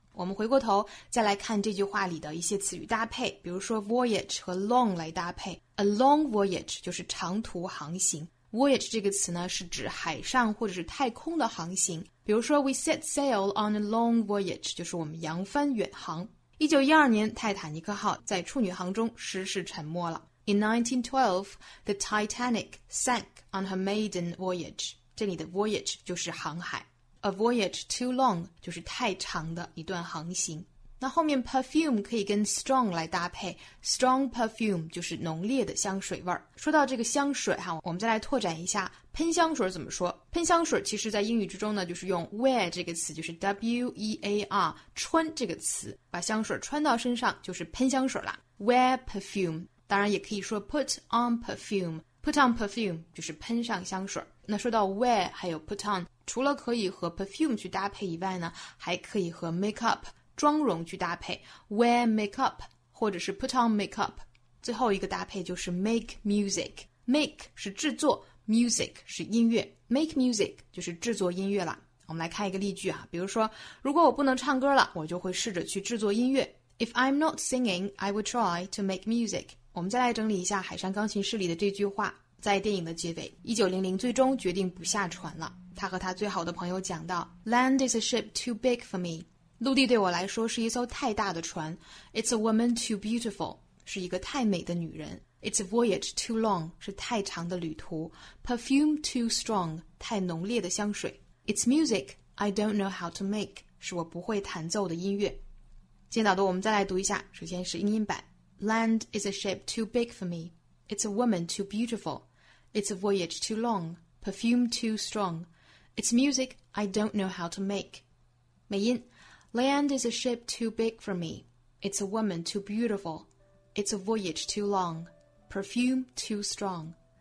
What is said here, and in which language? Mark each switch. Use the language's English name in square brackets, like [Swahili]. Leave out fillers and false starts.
[Chinese] 我们回过头再来看这句话里的一些词语搭配，比如说 voyage 和 long 来搭配。 A long voyage 就是长途航行， voyage 这个词呢是指海上或者是太空的航行，比如说 [English] we set sail on a long voyage [Chinese] 就是我们扬帆远航。 1912年泰坦尼克号在处女航中失事沉没了。 [English] In 1912, the Titanic sank on her maiden voyage. [Chinese] 这里的 voyage 就是航海。 [English] A voyage too long [Chinese] 就是太长的一段航行。那后面 perfume 可以跟 strong 来搭配， strong perfume 就是浓烈的香水味。说到这个香水哈，我们再来拓展一下喷香水怎么说。喷香水其实在英语之中呢，就是用 wear 这个词，就是 wear 穿这个词，把香水穿到身上就是喷香水啦， wear perfume。当然也可以说 put on perfume， put on perfume 就是喷上香水。那说到 wear 还有 put on， 除了可以和 perfume 去搭配以外呢，还可以和 makeup妆容去搭配， wear makeup 或者是 put on makeup。最后一个搭配就是 make music， make 是制作， music 是音乐， make music 就是制作音乐了。我们来看一个例句啊，比如说如果我不能唱歌了，我就会试着去制作音乐。 [English] If I'm not singing I will try to make music。 [Chinese] 我们再来整理一下海上钢琴师里的这句话。在电影的结尾，1900最终决定不下船了，他和他最好的朋友讲到 [English] Land is a ship too big for me， [Chinese] 陆地对我来说是一艘太大的船。 [English] It's a woman too beautiful， [Chinese] 是一个太美的女人。 [English] It's a voyage too long， [Chinese] 是太长的旅途。 [English] Perfume too strong， [Chinese] 太浓烈的香水。 [English] It's music I don't know how to make， [Chinese] 是我不会弹奏的音乐。今天导读我们再来读一下，首先是英音版。 [English] Land is a ship too big for me. It's a woman too beautiful. It's a voyage too long. Perfume too strong. It's music I don't know how to make. 美音 Land is a ship too big for me. It's a woman too beautiful. It's a voyage too long. Perfume too strong.